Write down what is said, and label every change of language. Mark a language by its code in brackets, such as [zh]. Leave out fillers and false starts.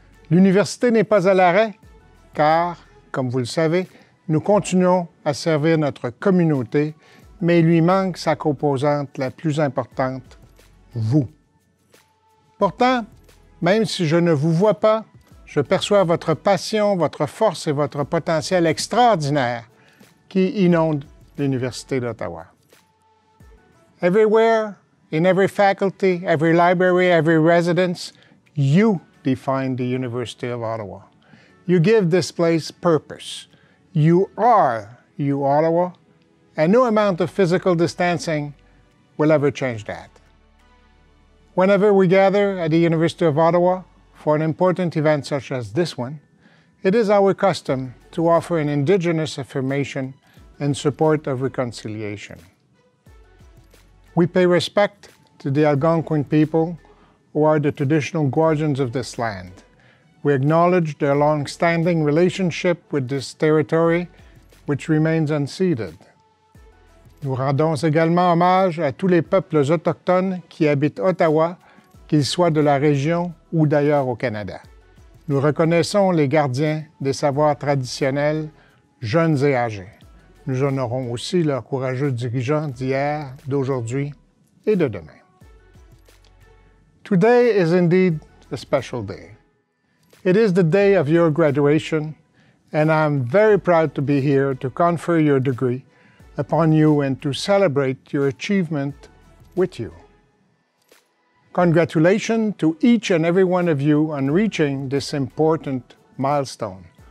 [fr] L'université n'est pas à l'arrêt, car, comme vous le savez, nous continuons à servir notre communauté, mais il lui manque sa composante la plus importante, vous. Pourtant, même si je ne vous vois pas, je perçois votre passion, votre force et votre potentiel extraordinaire qui inonde l'Université d'Ottawa. [en] Everywhere, in every faculty, every library, every residence, you define the University of Ottawa. You give this place purpose. You are uOttawa, and no amount of physical distancing will ever change that. Whenever we gather at the University of Ottawa, for an important event such as this one, it is our custom to offer an Indigenous affirmation in support of reconciliation. We pay respect to the Algonquin people who are the traditional guardians of this land. We acknowledge their long-standing relationship with this territory, which remains unceded. [fr] Nous rendons également hommage à tous les peuples autochtones qui habitent Ottawa, qu'ils soient de la région ou d'ailleurs au Canada. Nous reconnaissons les gardiens des savoirs traditionnels, jeunes et âgés. Nous honorons aussi leurs courageux dirigeants d'hier, d'aujourd'hui et de demain. [en] Today is indeed a special day. It is the day of your graduation, and I'm very proud to be here to confer your degree upon you and to celebrate your achievement with you. Congratulations to each and every one of you on reaching this important milestone.